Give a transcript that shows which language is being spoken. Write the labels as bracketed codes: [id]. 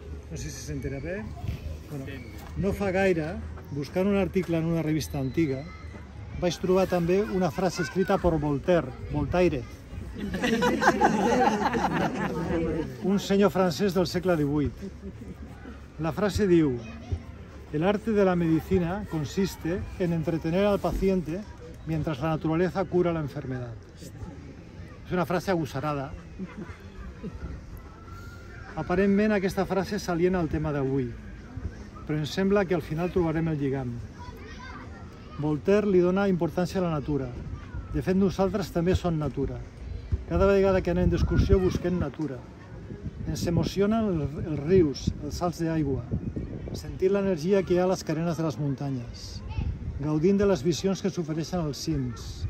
[ca] No sé si s'entera bé. Bueno, no fa gaire, buscant un article en una revista antiga, vaig trobar també una frase escrita per Voltaire. Un senyor francès del segle XVIII. [es] La frase diu: el arte de la medicina consiste en entretener al paciente mientras la naturaleza cura la enfermedad. [ca] És una frase agosarada. Aparentment aquesta frase s'aliena al tema d'avui, però em sembla que al final trobarem el lligam. Voltaire li dona importància a la natura. De fet, nosaltres també som natura. Cada vegada que anem d'excursió busquem natura. Ens emocionen els rius, els salts d'aigua, sentint l'energia que hi ha a les carenes de les muntanyes, gaudint de les visions que s'ofereixen als cims.